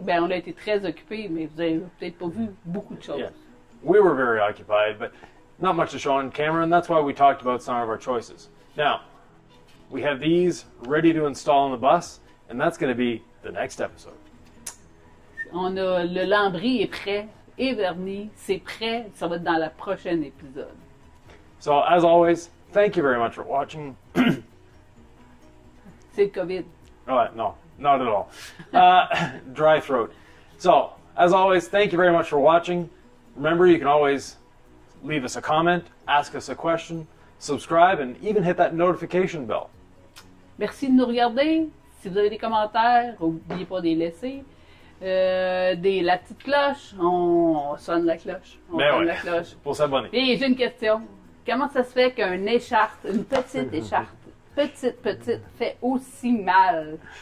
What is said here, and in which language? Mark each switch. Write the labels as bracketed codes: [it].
[fr] Ben, on a été très occupé, mais vous avez peut-être pas vu beaucoup de choses. [en] Yeah. We were very occupied, but not much to show on camera, and that's why we talked about some of our choices. Now, we have these ready to install on the bus, and that's going to be the next episode. On a le lambris est prêt, et vernis, c'est prêt, ça va être dans la prochaine épisode. So, as always, thank you very much for watching. [fr] C'est le COVID. [en] No, not at all. dry throat. So, as always, thank you very much for watching. Remember, you can always leave us a comment, ask us a question, subscribe, and even hit that notification bell. [fr] Merci de nous regarder. Si vous avez des commentaires, n'oubliez pas de les laisser. La petite cloche, on sonne la cloche. Pour s'abonner. Et j'ai une question. Comment ça se fait qu'un écharpe, une petite écharpe, petite, fait aussi mal?